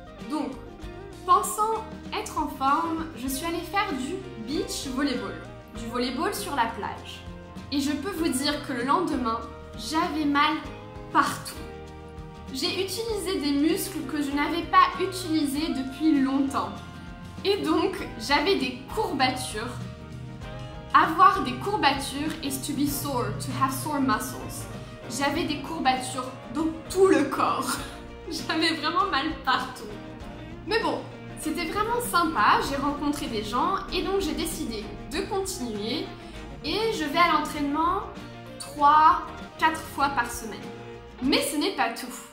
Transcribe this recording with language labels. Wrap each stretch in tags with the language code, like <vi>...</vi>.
<fr>Donc, pensant être en forme, je suis allée faire du beach volleyball, du volleyball sur la plage. Et je peux vous dire que le lendemain, j'avais mal partout. J'ai utilisé des muscles que je n'avais pas utilisés depuis longtemps. Et donc, j'avais des courbatures. Avoir des courbatures</fr> <en>is to be sore, to have sore muscles.</en> <fr>J'avais des courbatures dans tout le corps. J'avais vraiment mal partout. Mais bon, c'était vraiment sympa, j'ai rencontré des gens et donc j'ai décidé de continuer et je vais à l'entraînement 3-4 fois par semaine. Mais ce n'est pas tout.</fr>